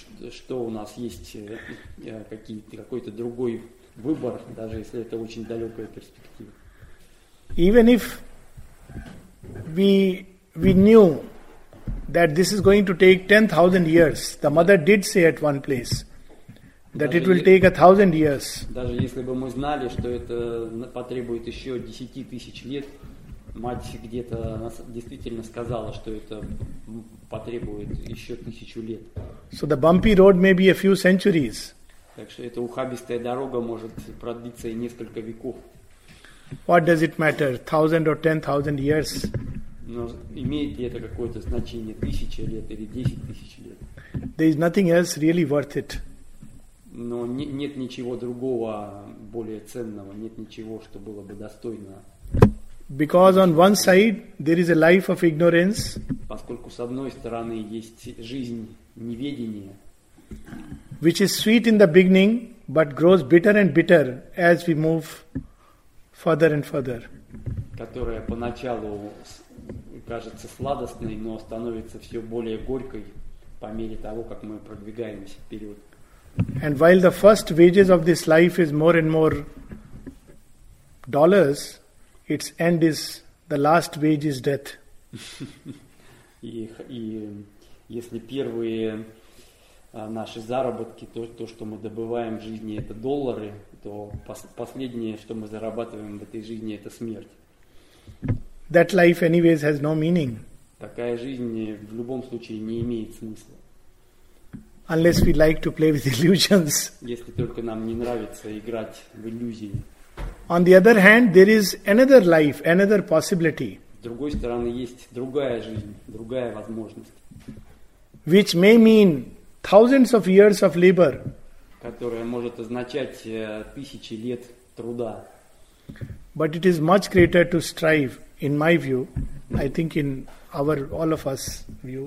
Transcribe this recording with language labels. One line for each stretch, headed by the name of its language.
Russian: Что у нас есть какой-то другой выбор, даже если это очень далекая перспектива.
English: even if we knew that this is going to take 10,000 years, the mother did say at one place that it will take 1,000 years.
Russian: Даже если бы мы знали, что это потребует еще 10,000 лет, мать где-то действительно сказала, что это потребует еще 1,000 лет.
English: So the bumpy road may be a few centuries.
Russian: Так что эта ухабистая дорога может продлиться и несколько веков.
English: What does it matter, 1,000 or 10,000 years?
Russian: Но имеет ли это какое-то значение, 1,000 лет или 10,000 лет?
English: There is nothing else really worth it.
Russian: Но нет ничего другого более ценного, нет ничего, что было бы достойно.
English: Because on one side there is a life of ignorance.
Russian: Поскольку с одной стороны есть жизнь неведения,
English: which is sweet in the beginning, but grows bitter and bitter as we move further and further.
Russian: Которая поначалу кажется сладостной, но становится все более горькой по мере того, как мы продвигаемся вперед.
English: And while the first wages of this life is more and more dollars, its end is the last wage is death.
Russian: И если первые наши заработки, то, что мы добываем в жизни, это доллары, то последнее, что мы зарабатываем в этой жизни, это смерть.
English: That life anyways has no meaning.
Russian: Такая жизнь в любом случае не имеет смысла.
English: Unless we like to play with illusions.
Russian: Если только нам не нравится играть в иллюзии.
English: On the other hand, there is another life, another possibility.
Russian: С другой стороны, есть другая жизнь, другая возможность.
English: Which may mean thousands of years of labor.
Russian: Которая может означать тысячи лет труда.
English: But it is much greater to strive, in my view, I think in our, all of us view.